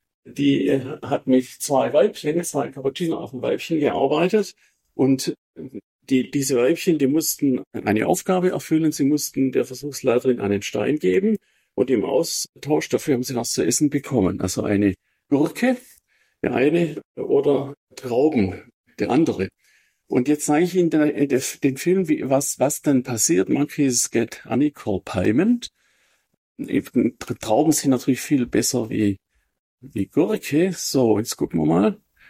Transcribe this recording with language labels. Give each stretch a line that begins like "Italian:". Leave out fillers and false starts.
German: Die hat mit 2 Cappuccino-Affen-Weibchen gearbeitet und diese Weibchen, die mussten eine Aufgabe erfüllen. Sie mussten der Versuchsleiterin einen Stein geben und im Austausch dafür haben sie was zu essen bekommen. Also eine Gurke, der eine, oder Trauben, der andere. Und jetzt zeige ich Ihnen den Film, was dann passiert.
English: Monkeys get honeycomb payment.
German: Trauben sind natürlich viel besser wie Gurke. So, jetzt gucken wir mal.